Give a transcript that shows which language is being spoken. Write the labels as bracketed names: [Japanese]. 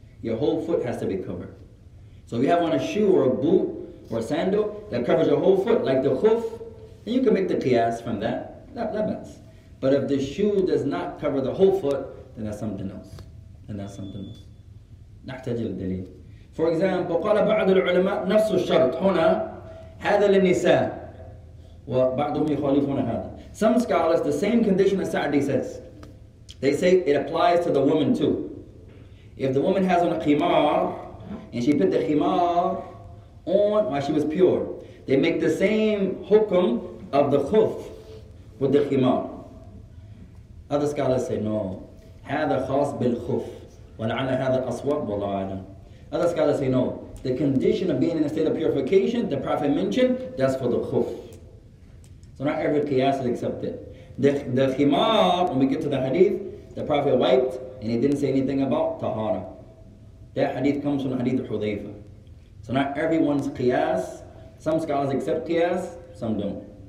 [English] Your whole foot has to be covered. So if you have on a shoe or a boot or a sandal that covers your whole foot, like the khuf, then you can make the qiyas from that. That matters. But if the shoe does not cover the whole foot, then that's something else. Then that's something else. [Arabic] نحتاج للدليل. [English] For example, [Arabic] قال بعض العلماء نفس الشرط هنا هذا للنساء. وبعضهم يخالفون هذا. [English] Some scholars, the same condition as Sa'di says, they say it applies to the woman too. If the woman has on a khimar, and she put the khimar on while she was pure, they make the same hukum of the khuf with the khimar. Other scholars say, no. [Arabic] هذا خاص بالخوف. ولعل هذا أصوات والله أعلم. [English] Other scholars say, no. The condition of being in a state of purification, the Prophet mentioned, that's for the khuf. So not every qiyas is accepted. The khimar, when we get to the hadith, the Prophet wiped and he didn't say anything about tahara. That hadith comes from the hadith of Hudhayfa. So not everyone's qiyas, some scholars accept qiyas, some don't.